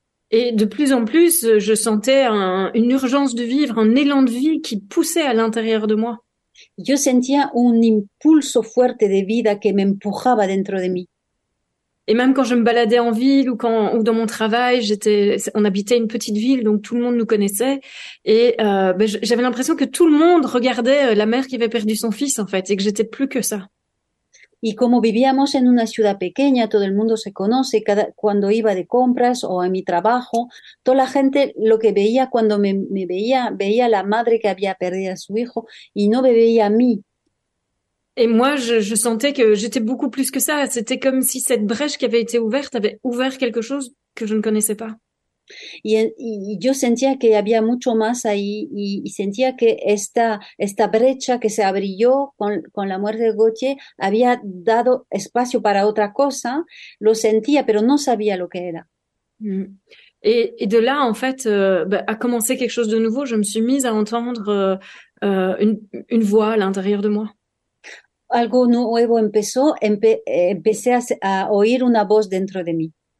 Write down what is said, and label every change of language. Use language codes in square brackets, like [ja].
[fr] Et de plus en plus, je sentais une urgence de vivre, un élan de vie qui poussait à l'intérieur de moi. [es] Yo sentía un impulso fuerte de vida que me empujaba dentro de mí. [fr] Et même quand je me baladais en ville ou dans mon travail, on habitait une petite ville, donc tout le monde nous connaissait. Et ben, j'avais l'impression que tout le monde regardait la mère qui avait perdu son fils, en fait, et que j'étais plus que ça. [es] Y como vivíamos en una ciudad pequeña, todo el mundo se conoce. Cuando iba de compras o a mi trabajo, toda la gente lo que veía cuando me veía, veía a la madre que había perdido a su hijo y no me veía a mí. [fr] Et moi, je sentais que j'étais beaucoup plus que ça. C'était comme si cette brèche qui avait été ouverte avait ouvert quelque chose que je ne connaissais pas. [es] Y yo sentía que había mucho más ahí y sentía que esta brecha que se abrió con la muerte de Gautier había dado espacio para otra cosa, lo sentía, pero no sabía lo que era. [fr] Et de là, en fait, bah, a commencé quelque chose de nouveau. Je me suis mise à entendre une voix à l'intérieur de moi. [es] Algo nuevo empezó, empecé a oír una voz dentro de mí.